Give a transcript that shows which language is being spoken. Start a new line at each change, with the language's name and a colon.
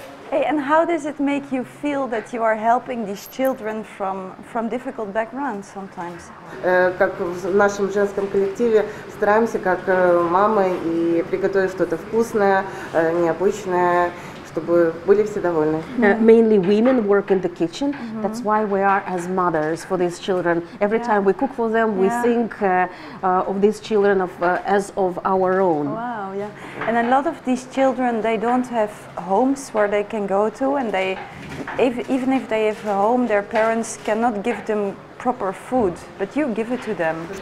English: Hey, and how does it make you feel that you are helping these children from difficult backgrounds sometimes?
Russian: Как в нашем женском коллективе стараемся как мамы и приготовить что-то вкусное, необычное, чтобы были все довольны.
English: Mainly women work in the kitchen. Mm-hmm. That's why we are as mothers for these children. Every time we cook for them, we think of these children as of our own. Wow, yeah. And a lot of these children, they don't have homes where they can go to, and they even if they have a home, their parents cannot give them proper food, but you give it to them.